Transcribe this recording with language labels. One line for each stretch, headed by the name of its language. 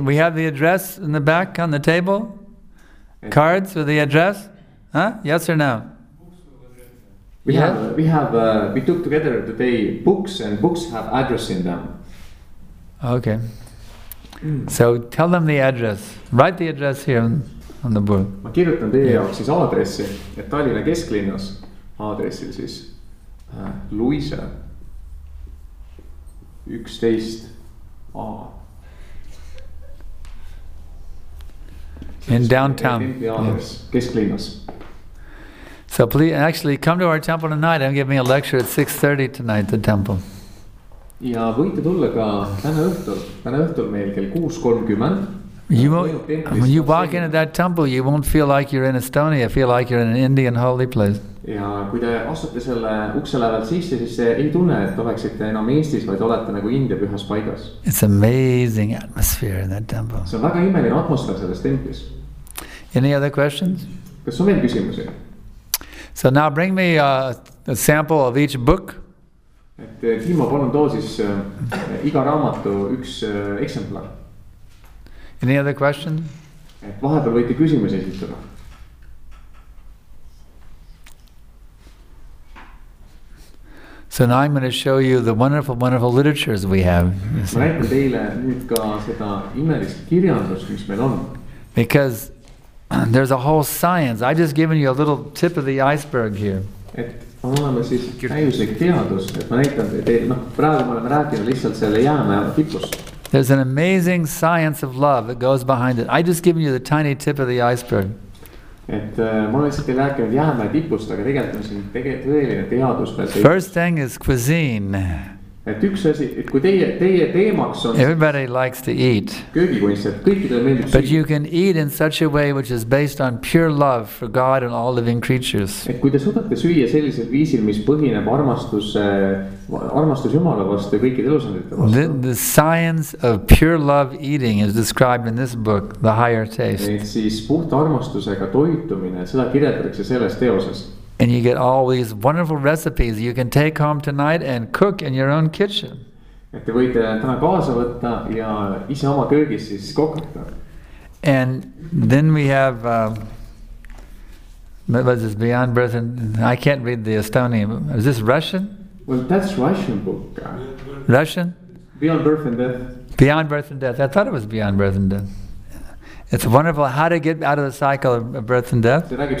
English: We have the address in the back on the table. Cards with the address, huh? Yes or no? We took together today books, and books have address in them. Okay. So tell them the address. Write the address here on the board.
Estonian: Ma kirjutan teie jaoks siis aadressi, et Tallinna kesklinnas aadressil siis Luise 11A.
English: In downtown.
Estonian: Kesklinnas.
English: So please, actually, come to our temple tonight. I'm giving a lecture at 6:30 tonight, the temple.
Estonian: Ja võite tulla ka täna õhtul meil kell 6:30.
English: When you walk into that temple, you won't feel like you're in Estonia. Feel like you're in an Indian holy place.
Estonian: Ja kui te astute selle ukse läheval sisse, siis te ei tunne, et oleksite enam Eestis, vaid olete nagu India pühas paigas.
English: It's amazing atmosphere in that temple.
Estonian: See on väga imeline atmosfäär selles templis.
English: Any other questions?
Estonian: Kas on veel küsimusi?
English: So now bring me a sample of each book.
Estonian: Et Timo, palun too siis iga raamatu üks eksemplar.
English: Any other question?
Estonian: Et vahepeal võite küsimuse esitada.
English: So now I'm going to show you the wonderful, wonderful literatures we have.
Estonian: Ma näitan teile nüüd ka seda imelist kirjandust, mis meil on.
English: Because there's a whole science. I've just given you a little tip of the iceberg here.
Estonian: Et on olemas siis täiuslik teadus, et ma näitan teile, praegu me oleme rääkinud lihtsalt selle jäämäeva tipus.
English: There's an amazing science of love that goes behind it. I just given you the tiny tip of the iceberg. First thing is cuisine. Everybody likes to eat. But you can eat in such a way which is based on pure love for God and all living creatures.
Estonian: Et kui te suudate süüa sellisel viisil, mis põhineb armastus Jumala vastu ja kõikide elusandite vastu.
English: The science of pure love eating is described in this book, The Higher Taste.
Estonian: Et siis puht armastusega toitumine, seda kirjeldatakse selles teoses.
English: And you get all these wonderful recipes you can take home tonight and cook in your own kitchen.
Estonian: Et te võite täna kaasa võtta ja ise oma köögis siis kokata.
English: And then we have what is this, Beyond Breath, and I can't read the Estonian. Is this Russian? Well, that's Russian book. Russian? Beyond Birth and Death. Beyond Birth and Death. I thought it was Beyond Breath and Death. It's wonderful how to get out of the cycle of birth and death.